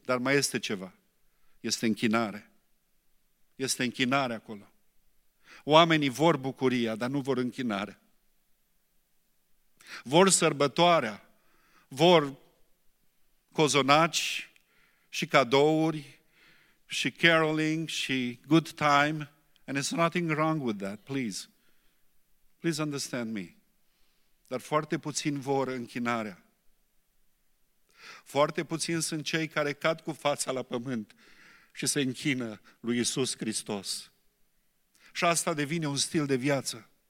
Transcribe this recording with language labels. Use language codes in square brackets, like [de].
[ro] Dar mai este ceva, este închinare. Este închinare acolo. Oamenii vor bucuria, dar nu vor închinare. Vor sărbătoarea. Vor cozonaci și cadouri și caroling și [en] good time. And there's nothing wrong with that, please. Please understand me. [ro] Dar foarte puțin vor închinarea. Foarte puțin sunt cei care cad cu fața la pământ și se închină lui Iisus Hristos. Și asta devine un stil de viață.